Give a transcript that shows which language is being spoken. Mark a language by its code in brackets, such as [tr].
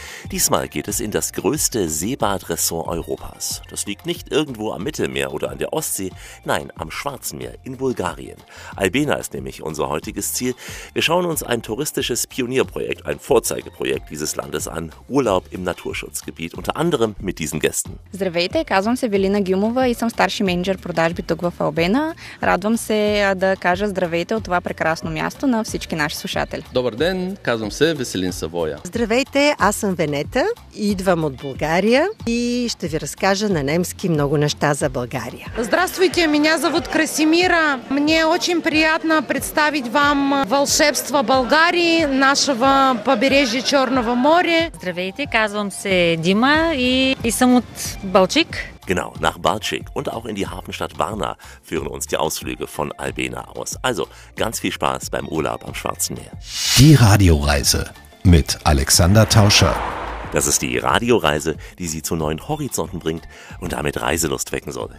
[de] Diesmal geht es in das größte Seebadresort Europas. Das liegt nicht irgendwo am Mittelmeer oder an der Ostsee, nein, am Schwarzen Meer in Bulgarien. Albena ist nämlich unser heutiges Ziel. Wir schauen uns ein touristisches Pionierprojekt, ein Vorzeigeprojekt dieses Landes an. Urlaub im Naturschutzgebiet, unter anderem mit diesen Gästen. [bg] Здравейте, казвам се Велина Гюмова и съм старши менеджер продажби тук в Албена. Радвам се да кажа здравейте от това прекрасно място на всички наши слушатели. Добър ден, казвам се Веселин Савоя. Здравейте, аз съм Венета, идвам от България и ще ви разкажа на немски много неща за България. [ru] Здравствуйте, меня зовут Красимира. Мне очень приятно представить вам [bg] вълшебство Българии, [ru] нашего побережья Черного моря. [bg] Здравейте, казвам се Дима и съм от Балчик. [de] Genau, nach Balčik und auch in die Hafenstadt Varna führen uns die Ausflüge von Albena aus. Also, ganz viel Spaß beim Urlaub am Schwarzen Meer. Die Radioreise mit Alexander Tauscher. Das ist die Radioreise, die Sie zu neuen Horizonten bringt und damit Reiselust wecken soll.